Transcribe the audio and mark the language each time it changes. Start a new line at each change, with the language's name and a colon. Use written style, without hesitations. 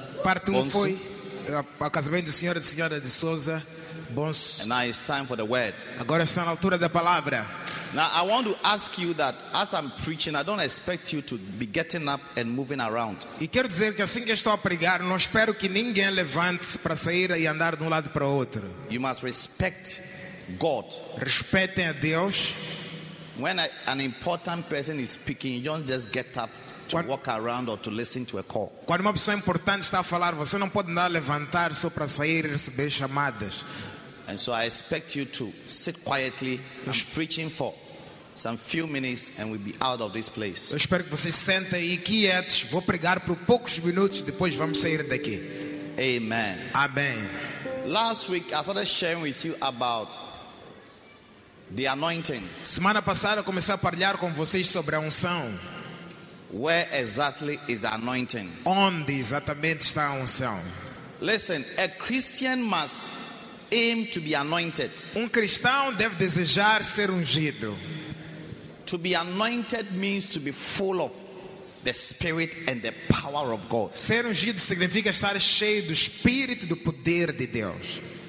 Portuguese: Parte 1 foi o casamento do senhor e da senhora de Souza. Bons.
English: And now it's time for the word.
Portuguese: Agora está na altura da palavra.
English: Now I want to ask you that as I'm preaching, I don't expect you to be getting up and moving around.
Portuguese: E quero dizer que assim que estou a pregar, não espero que ninguém levante-se para sair e andar de um lado para o outro.
English: You must respect God.
Portuguese: Respeitem a Deus.
English: When an important person is speaking, you don't just get up to walk around or to listen to a call.
Portuguese: Quando uma pessoa importante está a falar, você não pode andar a levantar só para sair e receber chamadas.
English: And so I expect you to sit quietly. I'm preaching for some few minutes and we'll be out of this place.
Portuguese: Eu espero que vocês sentem e quietos. Vou pregar por poucos minutos, depois vamos sair daqui.
English: Amen.
Portuguese: Amém.
English: Last week I started sharing with you about the anointing.
Portuguese: Semana passada comecei a partilhar com vocês sobre a unção.
English: Where exactly is the anointing?
Portuguese: Onde exatamente está a unção?
English: Listen, a Christian must aim to be anointed.
Portuguese: Um cristão deve desejar ser ungido.
English: To be anointed means to be full of the Spirit and the power of God.
Portuguese: Ser ungido significa estar cheio do Espírito e do poder de Deus.